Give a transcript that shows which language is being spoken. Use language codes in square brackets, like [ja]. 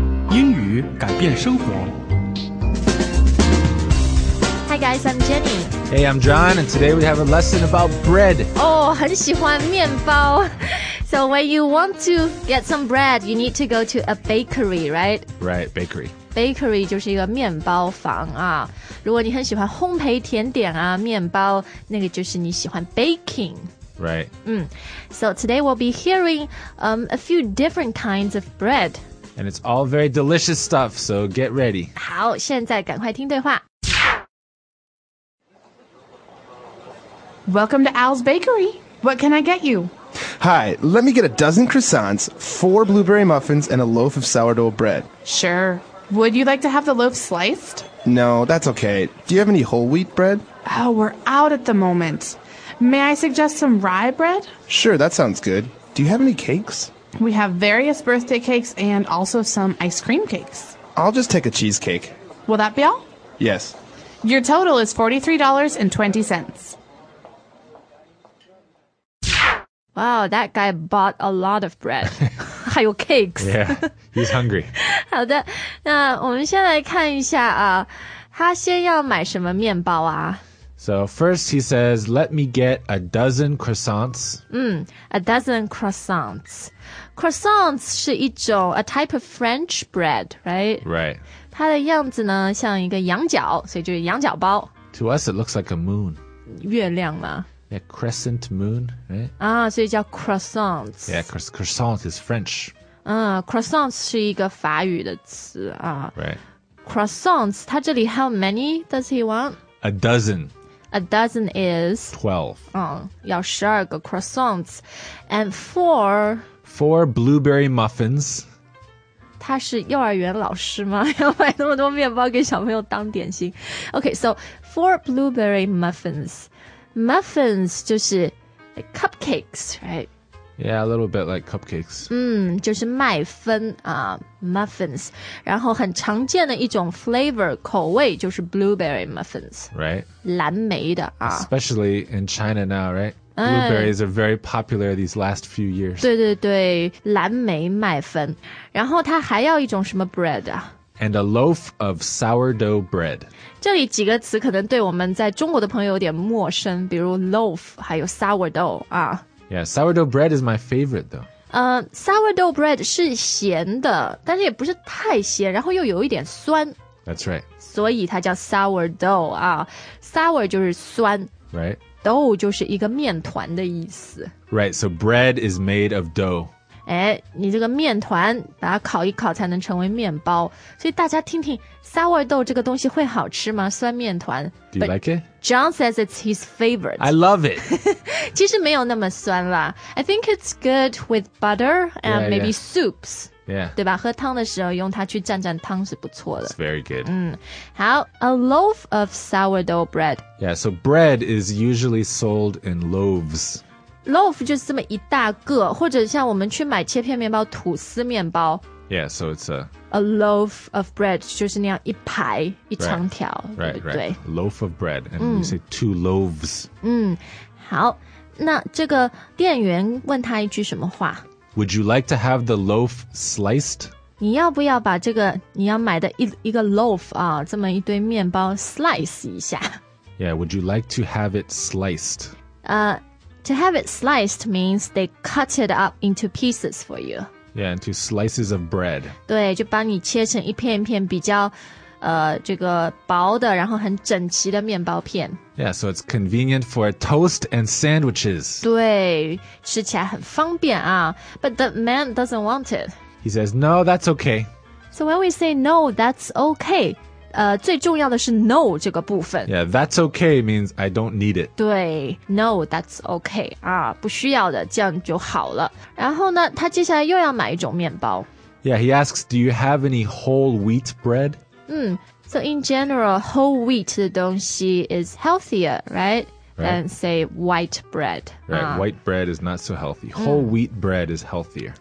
[zh] 英语改变生活。 [en] Hi guys, I'm Jenny. Hey, I'm John, and today we have a lesson about bread. [zh] Oh, 很喜欢面包。 [en] So when you want to get some bread, you need to go to a bakery, right? Right, bakery. [zh] Bakery 就是一个面包房啊。如果你很喜欢烘焙甜点啊，面包，那个就是你喜欢 baking。 [en] Right. So today we'll be hearing a few different kinds of bread. And it's all very delicious stuff, so get ready. [zh] 好，现在赶快听对话。 [en] Welcome to Al's Bakery. What can I get you? Hi, let me get a dozen croissants, 4 blueberry muffins, and a loaf of sourdough bread. Sure. Would you like to have the loaf sliced? No, that's okay. Do you have any whole wheat bread? Oh, we're out at the moment. May I suggest some rye bread? Sure, that sounds good. Do you have any cakes? We have various birthday cakes and also some ice cream cakes. I'll just take a cheesecake. Will that be all? Yes. Your total is $43.20. Wow, that guy bought a lot of bread. [zh] 还有 cakes. [en] Yeah, he's hungry. [zh] 好的，那我们先来看一下啊，他先要买什么面包啊？ [en] So first he says, let me get a dozen croissants. A dozen croissants. Croissants [zh] 是一种 [en] a type of French bread, right? Right. [zh] 它的样子呢像一个羊角，所以就是羊角包。 [en] To us it looks like a moon. [zh] 月亮嘛。 [en] Yeah, crescent moon, right? [zh] 啊，所以叫 croissants. [en] Yeah, croissant is French. [zh] Croissants 是一个法语的词啊。 [en] Right. Croissants, [zh] 它这里 [en] how many does he want? A dozen. A dozen is? 12. [zh] 要12个 croissants. [en] And 4? 4 blueberry muffins. [zh] 他是幼儿园老师吗？要买那么多面包给小朋友当点心。 [en] Okay, so 4 blueberry muffins. Muffins [zh] 就是 [en] like cupcakes, right? Yeah, a little bit like cupcakes. [zh] 就是麦芬啊、muffins. 然后很常见的一种 flavor, 口味就是 blueberry muffins. [en] Right. [zh] 蓝莓的啊。 [en] Especially in China now, right? Blueberries are very popular these last few years. [zh] 对对对，蓝莓麦芬。然后它还要一种什么 bread 啊？ [en] And a loaf of sourdough bread. [zh] 这里几个词可能对我们在中国的朋友有点陌生，比如 loaf, 还有 sourdough 啊。 [en] Yeah, sourdough bread is my favorite, though. [zh] Sourdough bread 是咸的，但是也不是太咸，然后又有一点酸。 [en] That's right. [zh] 所以它叫 sourdough, 啊。 Sour 就是酸。 [en] Right. [zh] Dough 就是一个面团的意思。 [en] Right, so bread is made of dough. [zh] 哎，你这个面团，把它烤一烤才能成为面包。所以大家听听 ,sourdough 这个东西会好吃吗？酸面团。 [en] Do you like it? John says it's his favorite. I love it. [zh] 其实没有那么酸啦。 [en] I think it's good with butter and maybe soups. Yeah. [zh] 对吧？喝汤的时候用它去蘸蘸汤是不错的。 [en] It's very good. 好 ,a loaf of sourdough bread. Yeah, so bread is usually sold in loaves. [zh] Loaf 就是这么一大个，或者像我们去买切片面包，吐司面包。 [en] Yeah, so it's a... [zh] A loaf of bread, 就是那样一排一长条 [en] right, [zh] 对不对 [en] right. Loaf of bread, and you say two loaves. [zh] 好,那这个店员问他一句什么话? [en] Would you like to have the loaf sliced? [zh] 你要不要把这个你要买的一个 loaf 啊,这么一堆面包 slice 一下? [en] Yeah, would you like to have it sliced? To have it sliced means they cut it up into pieces for you. Yeah, into slices of bread. [zh] 对，就把你切成一片一片比较，这个薄的，然后很整齐的面包片。 [en] Yeah, so it's convenient for toast and sandwiches. [zh] 对，吃起来很方便啊。 [en] But the man doesn't want it. He says, no, that's okay. So when we say no, that's okay, [zh] 最重要的是 [en] no [zh] 这个部分。 [en] Yeah, that's okay means I don't need it. [zh] 对 , [en] no, that's okay, [zh] 啊，不需要的，这样就好了。然后呢，他接下来又要买一种面包。 [en] Yeah, he asks, do you have any whole wheat bread? So in general, whole wheat [zh] 的东西 [en] is healthier, right? than say white bread. Right, white bread is not so healthy. Whole wheat bread is healthier.